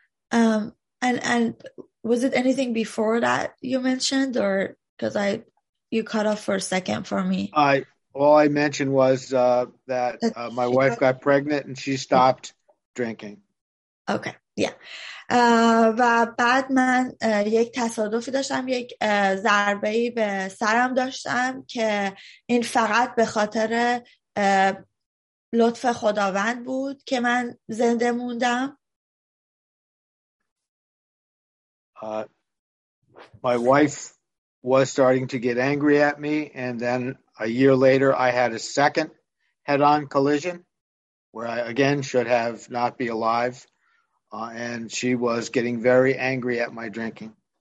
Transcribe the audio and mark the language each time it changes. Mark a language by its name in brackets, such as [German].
[English] And was it anything before that you mentioned, or because you cut off for a second for me? All I mentioned was that my wife got pregnant and she stopped drinking. Okay. Yeah. [Persian] و بعد من یک تصادفی داشتم، یک ضربه ای به سرم داشتم که این فقط به خاطر لطف خداوند بود که من زنده موندم. [English] My wife was starting to get angry at me, and then a year later I had a second head-on collision where I again should have not be alive. And she was getting very angry at my drinking.